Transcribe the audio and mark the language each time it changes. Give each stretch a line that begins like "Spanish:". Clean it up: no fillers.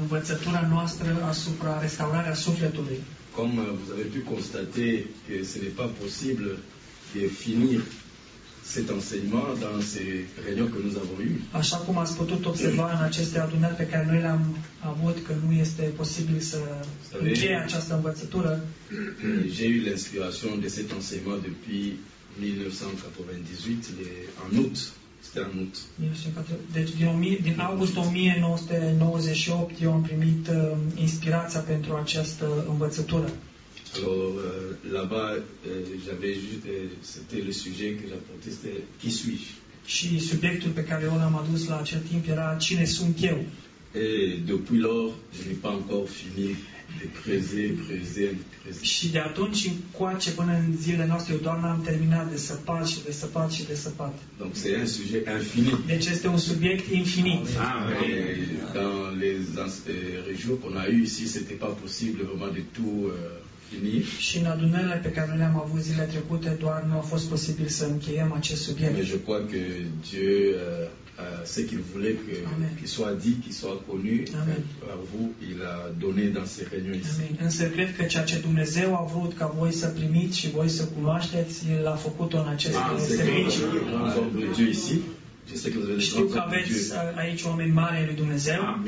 Romanian: Învățătura noastră asupra restaurarea sufletului.
French: Comme vous avez pu constater que ce n'est pas possible de finir cet enseignement dans ces réunions que nous avons eues.
Romanian: Așa cum ați putut observa în aceste adunări pe care noi le-am avut, că nu este posibil să încheie această învățătură.
French: J'ai eu l'inspiration de cet enseignement depuis 1998, en août.
Romanian: este anunț. Deci din august 1998 eu am primit inspirația pentru această învățătură.
French: Alors là-bas j'avais juste c'était le sujet que j'apportais, c'était qui suis-je.
Romanian: Și subiectul pe care eu l-am adus la acel timp era cine sunt eu.
French: Et depuis lors, je n'ai pas encore fini de creuser, creuser, creuser.
Romanian: Și de atunci încoace până în zilele noastre, eu doar n-am terminat de săpat și de săpat și de săpat.
French: Donc c'est un sujet infini.
Romanian: Deci este un subiect infinit.
French: Dans les régions qu'on a eu ici, c'était pas possible vraiment de tout finir.
Romanian: Și în adunările pe care le-am avut zilele trecute, doar nu a fost posibil să încheiem acest subiect.
French: Mais je crois que Dieu ce qu'il voulait que qu'il soit dit, qu'il soit connu par vous, il a donné dans ces réunions ici. Amen.
Romanian: Însă cred că ceea ce Dumnezeu a vrut ca voi să primiți și voi să cunoașteți, el a făcut-o în acest serviciu. Dumnezeu
French: ici. Je sais que vous avez des
Romanian: știu că aveți aici oameni mari ai lui Dumnezeu.